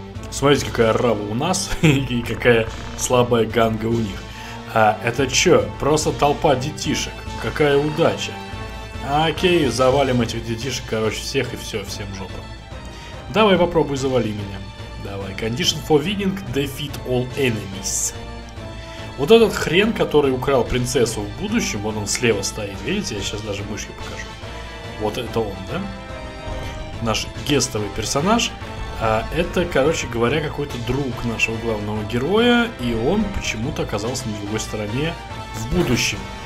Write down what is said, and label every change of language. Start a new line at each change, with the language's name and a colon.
Russian: Смотрите, какая рава у нас и какая слабая ганга у них. А это чё? Просто толпа детишек. Какая удача. Окей, завалим этих детишек, короче, всех и всё, всем жопа. Давай попробуй завали меня. Давай.
English: Condition for winning, defeat all enemies.
Russian: Вот этот хрен, который украл принцессу в будущем, вон он слева стоит, видите, я сейчас даже мышью покажу. Вот это он, да? Наш гестовый персонаж. А это, короче говоря, какой-то друг нашего главного героя, и он почему-то оказался на другой стороне в будущем.